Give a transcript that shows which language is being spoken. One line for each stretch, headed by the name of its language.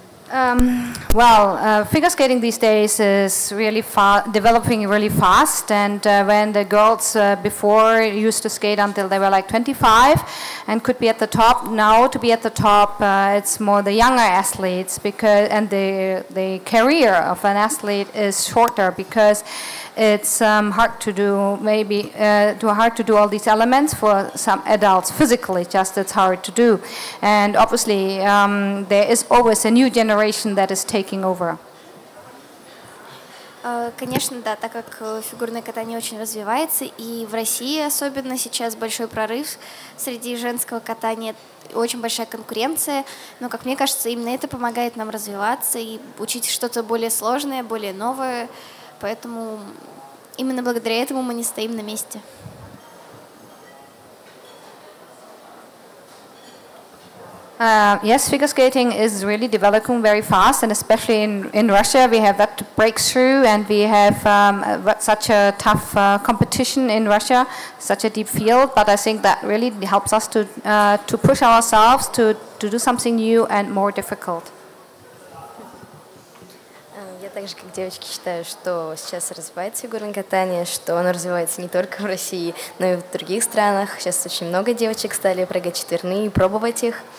English: Figure skating these days is really developing really fast, and when the girls before used to skate until they were like 25 and could be at the top, now to be at the top it's more the younger athletes, because and the career of an athlete is shorter because it's hard to do all these elements for some adults physically, just it's hard to do. And obviously there is always a new generation that is taking over.
Russian: Конечно, да, так как фигурное катание очень развивается, и в России особенно сейчас большой прорыв среди женского катания, очень большая конкуренция, но, как мне кажется, именно это помогает нам развиваться и учить что-то более сложное, более новое, поэтому именно благодаря этому мы не стоим на месте.
English: Yes, figure skating is really developing very fast, and especially in Russia, we have that breakthrough, and we have such a tough competition in Russia, such a deep field. But I think that really helps us to push ourselves to do something new and more difficult.
Russian: Я также, как девочки, считаю, что сейчас развивается фигурное катание, что оно развивается не только в России, но и в других странах. Сейчас очень много девочек стали прыгать четверные и пробовать их.